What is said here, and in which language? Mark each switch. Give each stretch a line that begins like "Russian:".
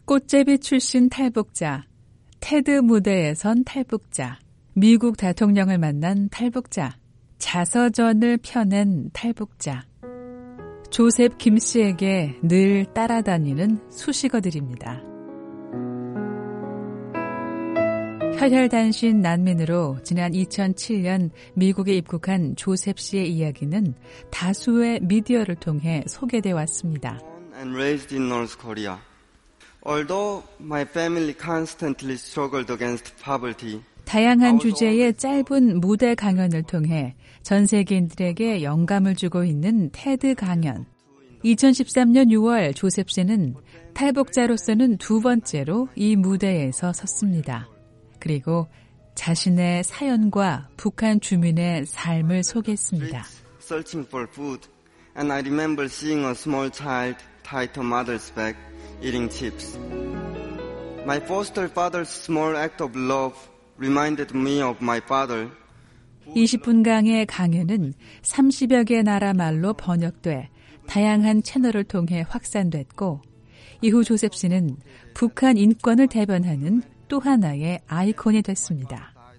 Korean: 꽃제비 출신 탈북자, 테드 무대에 선 탈북자, 미국 대통령을 만난 탈북자, 자서전을 펴낸 탈북자, 조셉 김 씨에게 늘 따라다니는 수식어들입니다. 혈혈단신 난민으로 지난 2007년 미국에 입국한 조셉 씨의 이야기는 다수의 미디어를 통해 소개돼 왔습니다.
English: And raised in North Korea. Although my family constantly struggled against poverty,
Korean: 다양한 주제의 짧은 무대 강연을 통해 전 세계인들에게 영감을 주고 있는 테드 강연. 2013년 6월 조셉 씨는 탈북자로서는 두 번째로 이 무대에서 섰습니다. 그리고 자신의 사연과 북한 주민의 삶을 소개했습니다.
English: Searching for food, and I remember seeing a small child tied to mother's back eating chips. My foster father's small act of love reminded me of my father.
Korean: 20분간의 강연은 30여 개 나라 말로 번역돼 다양한 채널을 통해 확산됐고, 이후 조셉 씨는 북한 인권을 대변하는 또 하나의 아이콘이 됐습니다.